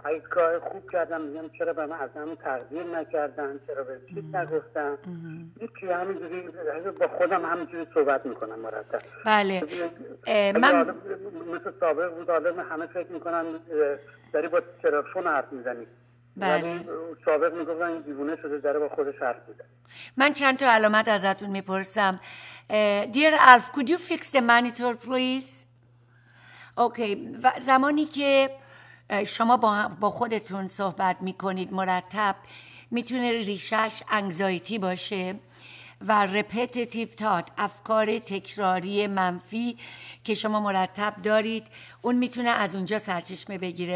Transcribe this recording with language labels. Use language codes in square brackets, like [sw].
[fa] کار خوب کردم میگم چرا به من از همون تقدیر نکردن، چرا به این چیز نگفتن، یکی همینجوری با خودم همینجوری صحبت میکنم مرتب. بله من مثل سابق بود، آدم همه فکر میکنن داری با تلفن حرف میزنی. بله سابق میگفتن دیوونه شده داره با خودش حرف میزنه. من چند تا علامت ازتون میپرسم. [en] Dear Alf, could you fix the monitor please? Okay. [fa] زمانی که شما با خودتون صحبت میکنید مرتب میتونه ریشش انگزایتی باشه و [en] repetitive thought، [fa] افکار تکراری منفی که شما مرتب دارید، اون میتونه از اونجا سرچشمه بگیره.